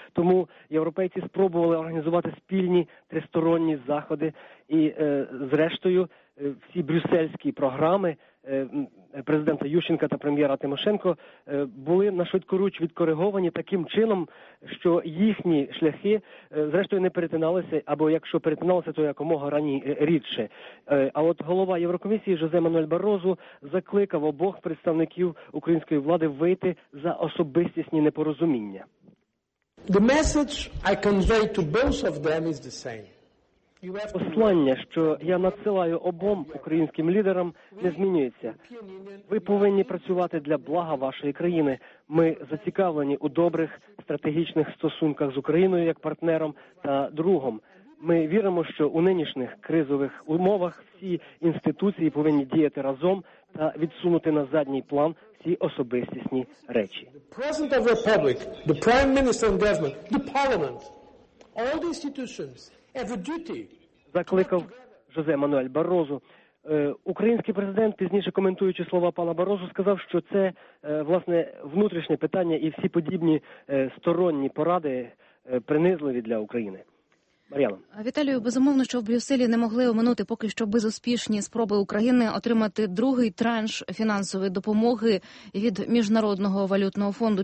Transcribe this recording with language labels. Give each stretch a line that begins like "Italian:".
Ukrainian: Тому європейці спробували організувати спільні тристоронні заходи і, зрештою, всі брюссельські програми президента Ющенка та прем'єра Тимошенко були на швидкоруч відкориговані таким чином, що їхні шляхи, зрештою, не перетиналися, або якщо перетиналися, то якомога рідше. А от голова Єврокомісії Жозе Мануель Барозу закликав обох представників української влади вийти за особистісні непорозуміння.
English: The message I convey to both of them is the same.
Ukrainian: Послання, що я надсилаю обом українським лідерам, не змінюється. Ви повинні працювати для блага вашої країни. Ми зацікавлені у добрих стратегічних стосунках з Україною як партнером та другом. Ми віримо, що у нинішніх кризових умовах всі інституції повинні діяти разом та відсунути на задній план всі особистісні речі. Президент Республіки,
English: the Prime Minister and Government, the Parliament, all the institutions have a duty.
Ukrainian: Закликав Жозе Мануель Барозу. Український президент, пізніше коментуючи слова пана Барозу, сказав, що це, власне, внутрішнє питання і всі подібні сторонні поради принизливі для України. Мар'яна. Віталію, безумовно, що в Брюсселі не могли оминути поки що безуспішні спроби України отримати другий транш фінансової допомоги від Міжнародного валютного фонду.